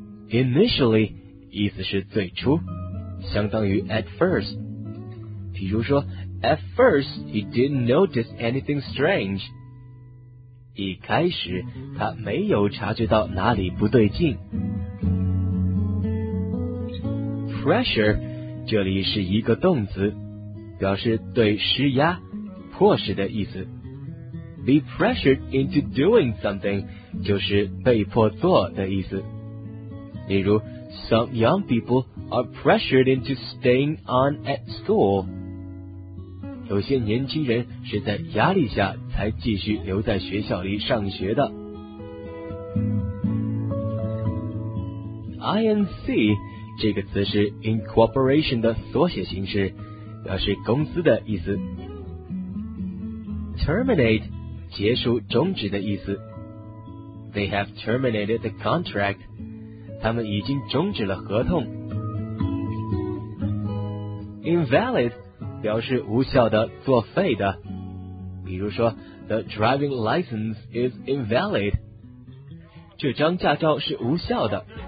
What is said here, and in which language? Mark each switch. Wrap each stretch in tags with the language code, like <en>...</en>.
<zh>Initially 意思是最初，相当于</zh> <en>at first。</en> <zh>比如说</zh> <en>At first, he didn't notice anything strange.</en> <zh>一开始，他没有察觉到哪里不对劲。 Pressure, 这里是一个动词，表示对施压、迫使的意思。</zh> <en>Be pressured into doing something,</en> <zh>就是被迫做的意思。例如，</zh> <en>Some young people are pressured into staying on at school.</en> <zh>有些年轻人是在压力下才继续留在学校里上学的。 INC 这个词是 incorporation 的缩写形式，表示公司的意思。 Terminate 结束终止的意思。</zh> <en>They have terminated the contract，</en> <zh>他们已经终止了合同。 Invalid表示无效的、作废的，比如说 ，</zh> <en>the driving license is invalid，</en> <zh>这张驾照是无效的。</zh>